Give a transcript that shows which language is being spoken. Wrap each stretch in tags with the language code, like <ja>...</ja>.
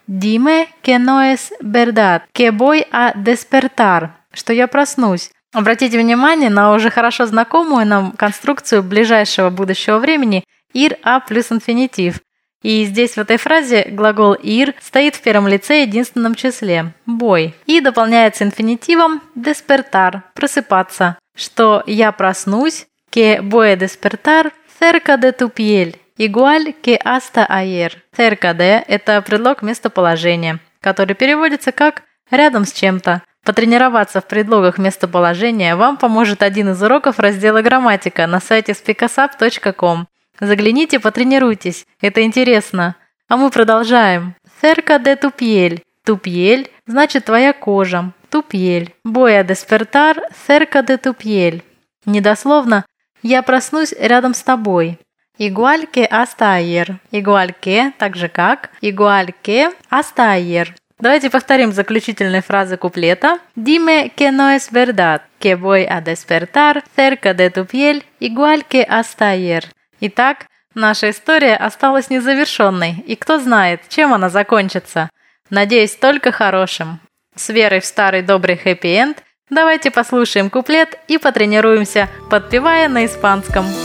<es>«Dime que no es verdad, que voy a despertar».</es> <ru>«Что я проснусь». Обратите внимание на уже хорошо знакомую нам конструкцию ближайшего будущего времени «ir a plus infinitiv». И здесь в этой фразе глагол «ir» стоит в первом лице единственном числе «boy» и дополняется инфинитивом «despertar» – «просыпаться», что «я проснусь» –</ru> <es>«que voy a despertar» – «cerca de tu piel» – «igual que hasta ayer».</es> <ru>«Cerca de» – это предлог местоположения, который переводится как «рядом с чем-то». Потренироваться в предлогах местоположения вам поможет один из уроков раздела «Грамматика» на сайте speakasap.com. Загляните, потренируйтесь, это интересно. А мы продолжаем.</ru> <es>Cerca de tu piel.</es> <ru>Tu piel значит твоя кожа.</ru> <es>Tu piel. Voy a despertar cerca de tu piel.</es> <ru>Недословно. Я проснусь рядом с тобой.</ru> <es>Igual que hasta ayer. Igual que,</es> <ru>так же как.</ru> <es>Igual que hasta ayer.</es> <ru>Давайте повторим заключительные фразы куплета.</ru> <es>Dime que no es verdad. Que voy a despertar cerca de tu piel. Igual que hasta ayer.</es> <ru>Итак, наша история осталась незавершенной, и кто знает, чем она закончится. Надеюсь, только хорошим. С верой в старый добрый хэппи-энд давайте послушаем куплет и потренируемся, подпевая на испанском.</ru>